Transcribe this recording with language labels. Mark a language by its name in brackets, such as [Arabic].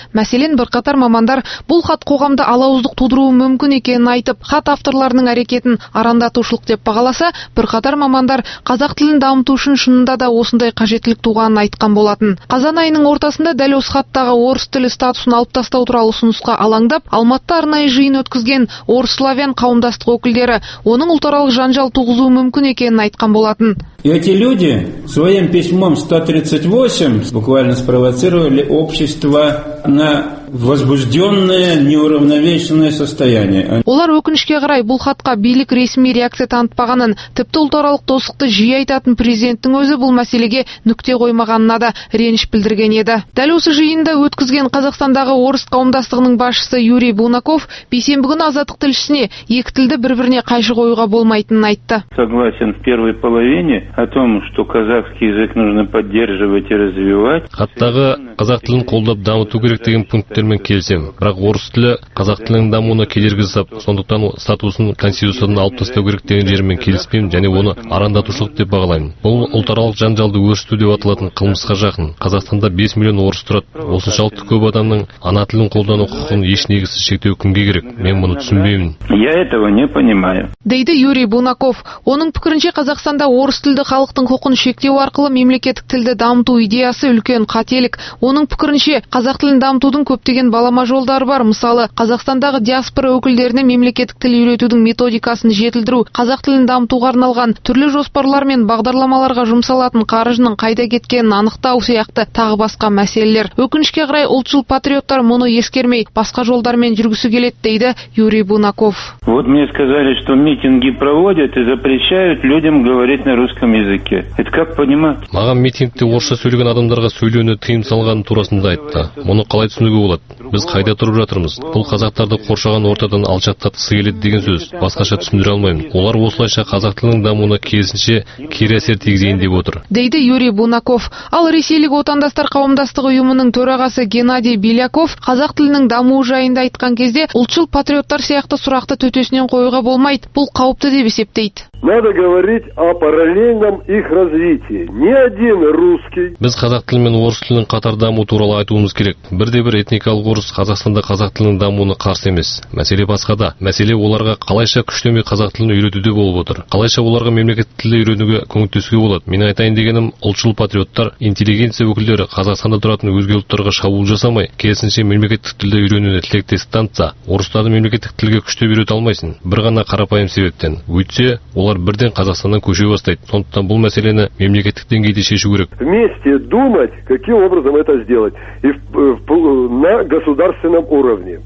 [Kazakh] Мәселен, бірқатар мамандар бұл хат қоғамда алауыздық тудыруы мүмкін екенін айтып, хат авторларының әрекетін арандатушылық деп бағаласа, бірқатар мамандар қазақ тілін дамыту үшін шынында да осындай қажеттілік туғанын айтқан болатын. Қазан айының ортасында дәл осы хаттағы орыс тілі статусын алып тастау туралы ұсынысқа алаңдап, Алматыда арнайы жиын өткізген орыс славян қауымдастық өкілдері оның ұлтаралық жанжал туғызуы мүмкін екенін айтқан болатын. [Russian] Эти люди своим письмом 138 буквально спровоцировали общество на возбужденное неуравновешенное состояние. [Kazakh] Олар өкінішке қарай бұл хатқа билік ресми реакция танытпағанын, тіпті ұлтаралық достықты жиі айтатын президенттің өзі бұл мәселеге нүкте қоймағанына да реніш білдірген еді. Дәл осы жиында өткізген Қазақстандағы орыс қауымдастығының басшысы Юрий Бунаков бейсенбі күні Азаттық тілшісіне екі тілді бір-біріне қайшы қоюға болмайтынын айтты. [Russian] Согласен в первой половине о том, что казахский язык нужно поддерживать и развивать. [Kazakh] Хаттағы қазақ тілін қолдап дамыту керек деген пункттермен келісемін. Бірақ орыс тілі қазақ тілінің дамуына кедергі жасап, сондықтан статусын конституциядан алып тастау керек деген жермен келіспеймін және оны арандатушылық деп бағалаймын. Бұл ұлтаралық жанжалды өршіту деп аталатын қылмысқа жақын. Қазақстанда 5 миллион орыс тұрады. Осыншалықты көп адамның ана тілін қолдану құқығын еш негізсіз шектеу кімге керек? Мен мұны түсінбеймін. [Russian] Я этого не понимаю. [Kazakh] Дейді Юрий Бунаков. Оның пікірінше Қазақстанда орыс тілді халықтың құқығын шектеу арқылы мемлекеттік тілді дамыту идеясы үлкен қателік. Оның пікірінше қазақ тілін дамытудың көптеген балама жолдары бар. Мысалы, Қазақстандағы диаспора өкілдеріне мемлекеттік тіл үйретудің методикасын жетілдіру, қазақ тілін дамытуға арналған түрлі жоспарлар мен бағдарламаларға жұмсалатын қаржының қайда кеткенін анықтау сияқты тағы басқа мәселелер. Өкінішке қарай ұлтшыл патриоттар мұны ескермей, басқа жолдармен жүргісі келеді дейді Юрий Бунаков. [Russian] Вот мне сказали, что митинги проводят и запрещают людям говорить на русском языке. Это как понимать? [Kazakh] Маған митингте орысша сөйлеген адамдарға сөйлеуіне тыйым салғаны турасында айтты. Мұны қалай түсінуге болады? Біз қайда тұрып жатырмыз? Бұл қазақтарды қоршаған ортадан алшақтатқысы келеді деген сөз. Басқаша түсіндіре алмаймын. Олар осылайша қазақ тілінің дамуына керісінше кері әсер тигізейін деп отыр. Дейді Юрий Бунаков. Ал ресейлік отандастар қауымдастығы ұйымының төрағасы Геннадий Беляков қазақ тілінің дамуы жайында айтқан кезде ұлтшыл патриоттар сияқты сұрақты төтесінен қоюға болмайды. Бұл қауіпті деп есептейді. [Russian] Надо говорить о параллельном их развитии. Ни один русский. [Kazakh] Біз қазақ тілі мен орыс тілінің қатар даму туралы айтуымыз керек. Бірде-бір этникалық орыс Қазақстанда қазақ тілінің дамуына қарсы емес. Мәселе басқада. Мәселе оларға қалайша күштеме қазақ тілін үйретуде болып отыр. Қалайша оларға мемлекеттік тілді үйренуге көмектесуге болады? Мен айтайын дегенім, ұлтшыл патриоттар, интеллигенция өкілдері Қазақстанда тұратын өзге ұлттарға шабуыл жасамай, керісінше мемлекеттік тілді үйренуге тілектестік танытса, орыстарды мемлекеттік тілге күштеп үйрете алмайсың. Бір ғана қарапайым себептен. Өйтсе, олар бірден Қазақстаннан көше бастайды. Сондықтан бұл мәселені мемлекеттік деңгейде шешу керек. [Russian] Вместе думать, каким образом это сделать и на государственном уровне.